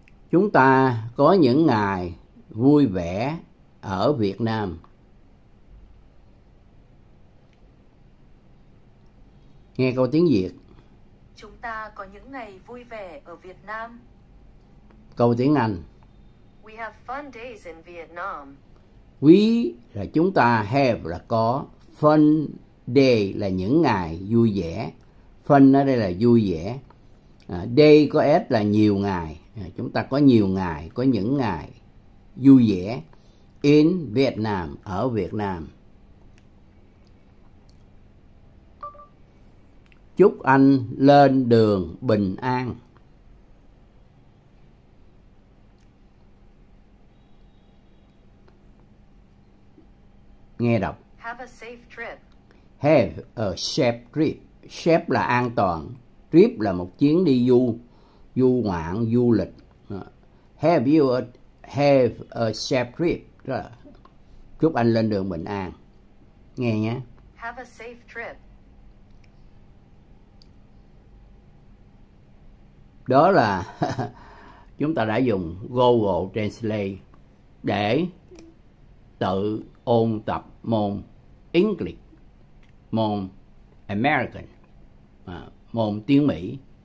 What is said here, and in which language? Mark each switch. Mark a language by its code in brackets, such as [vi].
[vi] Chúng ta có những ngày vui vẻ ở Việt Nam. Nghe câu tiếng Việt. Chúng ta có những ngày vui vẻ ở Việt Nam. Câu tiếng Anh. [en] We have fun days in Vietnam. [vi] We là chúng ta, have là có. Fun day là những ngày vui vẻ. Fun ở đây là vui vẻ. Day có S là nhiều ngày. Chúng ta có nhiều ngày, có những ngày vui vẻ. [en] In Vietnam, [vi] ở Việt Nam. Chúc anh lên đường bình an. Nghe đọc. [en] Have a safe trip. Have a safe trip. Safe [vi] là an toàn. Trip là một chuyến đi du, du ngoạn, du lịch. [en] Have you a, have a safe trip. [vi] Chúc anh lên đường bình an. Nghe nhé. [en] Have a safe trip. [vi] Đó là chúng ta đã dùng Google Translate để tự ôn tập môn English, môn American, môn tiếng Mỹ.